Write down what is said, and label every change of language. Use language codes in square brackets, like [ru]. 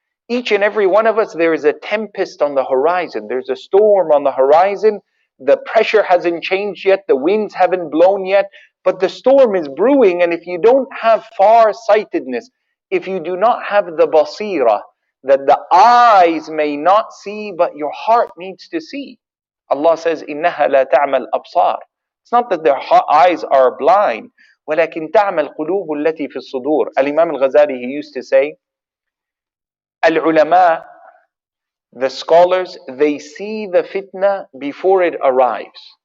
[en] Each and every one of us, there is a tempest on the horizon. There's a storm on the horizon. The pressure hasn't changed yet. The winds haven't blown yet. But the storm is brewing. And if you don't have far-sightedness, if you do not have the basira, that the eyes may not see, but your heart needs to see. Allah says, [ar] إِنَّهَا لَا تَعْمَ الْأَبْصَارِ. [en] It's not that their eyes are blind. [ar] وَلَكِنْ تَعْمَ الْقُلُوبُ الَّتِي فِي الصُّدُورِ. [en] Al-Imam al-Ghazali, he used to say, Al-ulama, the scholars, they see the fitna before it arrives.